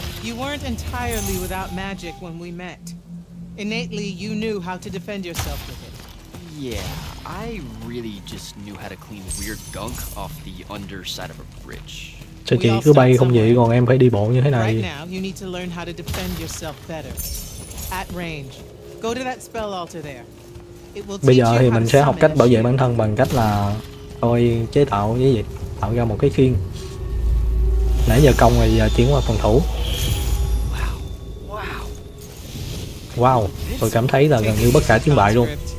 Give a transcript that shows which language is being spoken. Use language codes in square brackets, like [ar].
[en] You weren't entirely without magic when we met. Innately, you knew how to defend yourself with it. Yeah, I really just knew how to clean weird gunk off the underside of a bridge. [vi] Sao chị cứ bay không vậy, còn em phải đi bộ như thế này. [en] Right now, you need to learn how to defend yourself better. At range. Go to that spell altar there. It will teach you. [vi] Bây giờ thì mình sẽ học cách bảo vệ bản thân bằng cách là thôi chế tạo cái gì, tạo ra một cái khiên. Nãy giờ công rồi, giờ chuyển qua phòng thủ. Wow, tôi cảm thấy là gần như bất khả chiến bại luôn.